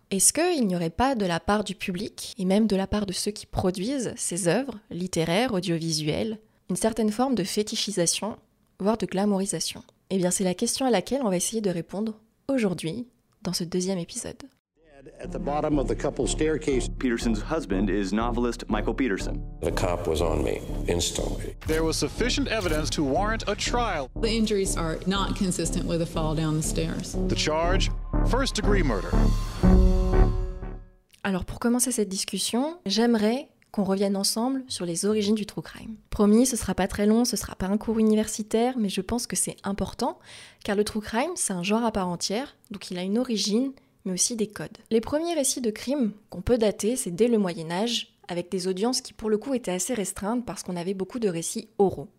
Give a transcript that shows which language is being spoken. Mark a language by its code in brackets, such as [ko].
[fr] Est-ce qu'il n'y aurait pas de la part du public, et même de la part de ceux qui produisent ces œuvres, littéraires, audiovisuelles, une certaine forme de fétichisation, voire de glamourisation? Eh bien, c'est la question à laquelle on va essayer de répondre aujourd'hui, dans ce deuxième épisode. [en] At the bottom of the couple's staircase. Peterson's husband is novelist Michael Peterson. The cop was on me instantly. There was sufficient evidence to warrant a trial. The injuries are not consistent with a fall down the stairs. The charge, first degree murder. [fr] Alors pour commencer cette discussion, j'aimerais qu'on revienne ensemble sur les origines du true crime. Promis, ce sera pas très long, ce sera pas un cours universitaire, mais je pense que c'est important, car le true crime, c'est un genre à part entière, donc il a une origine, mais aussi des codes. Les premiers récits de crimes qu'on peut dater, c'est dès le Moyen-Âge, avec des audiences qui pour le coup étaient assez restreintes parce qu'on avait beaucoup de récits oraux.